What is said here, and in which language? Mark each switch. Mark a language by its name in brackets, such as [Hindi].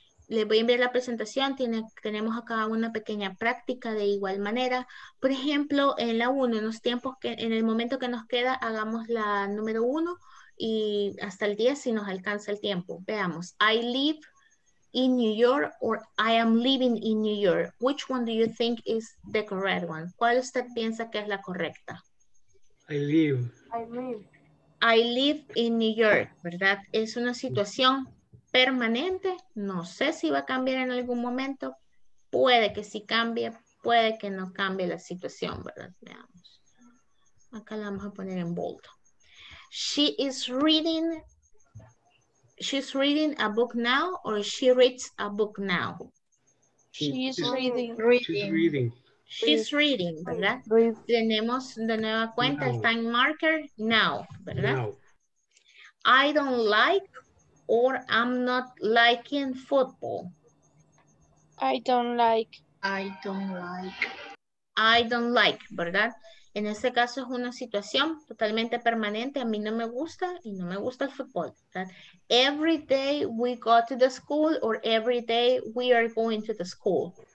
[Spanish] Les voy a enviar la presentación. Tenemos acá una pequeña práctica de igual manera. Por ejemplo, en la 1, en los tiempos que, en el momento que nos queda, hagamos la número 1 y hasta el 10 si nos alcanza el tiempo. [English] Veamos. I live in New York or I am living in New York. Which one do you think is the correct one? [Spanish] ¿Cuál usted piensa que es la correcta? [English] I live in New York, ¿verdad? [Spanish] Es una situación permanente, no sé si va a cambiar en algún momento, puede que sí cambie, puede que no cambie la situación, ¿verdad? Veamos. Acá la vamos a poner en bold. [English] She's reading a book now or she reads a book now? She's reading, [Spanish] ¿verdad? Tenemos de nueva cuenta el [English] time marker now, [Spanish] ¿verdad? [English] Now. I don't like or I'm not liking football. I don't like. I don't like, ¿verdad? [Spanish] En este caso es una situación totalmente permanente. A mí no me gusta y no me gusta el fútbol, ¿verdad? [English] Every day we go to the school or every day we are going to the school.